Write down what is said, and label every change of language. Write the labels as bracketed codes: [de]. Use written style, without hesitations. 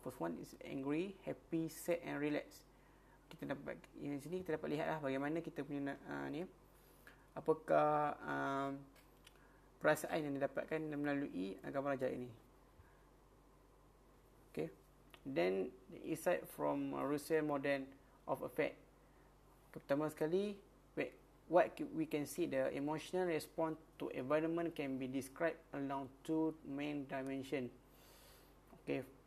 [en] First one is angry, happy, sad and relaxed. [ms] Kita dapat di sini kita dapat lihatlah bagaimana kita punya ni, apakah perasaan yang didapatkan melalui gambaran jari ini. [en] Okay, then the insight from Russell model of affect. [ms] Pertama sekali, [en] what we can see, the emotional response to environment can be described along two main dimension. Okay.